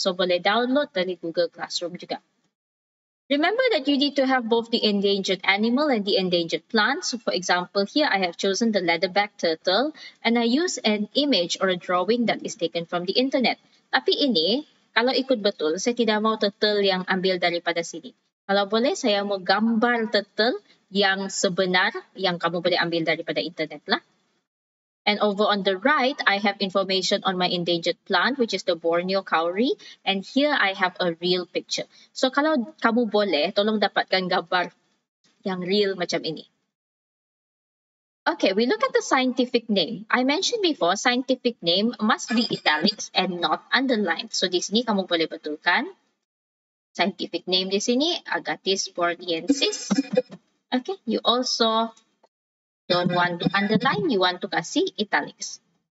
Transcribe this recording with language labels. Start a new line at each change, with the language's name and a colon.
English: So
Malay: boleh download dari Google Classroom juga.
English: Remember that you need to have both the endangered animal and the endangered plant. So for example, here I have chosen the leatherback turtle and I use an image or a drawing that is taken from the internet.
Malay: Tapi ini, kalau ikut betul, saya tidak mau turtle yang ambil daripada sini. Kalau boleh, saya mau gambar turtle yang sebenar yang kamu boleh ambil daripada internet lah.
English: And over on the right, I have information on my endangered plant, which is the Borneo cowrie. And here I have a real picture.
Malay: So kalau kamu boleh, tolong dapatkan gambar yang real macam ini.
English: Okay, we look at the scientific name. I mentioned before, scientific name must be italics and not underlined.
Malay: So di sini kamu boleh betulkan. Scientific name di sini, Agathis borneensis.
English: Okay, you also don't want to underline, you want to kasih italics.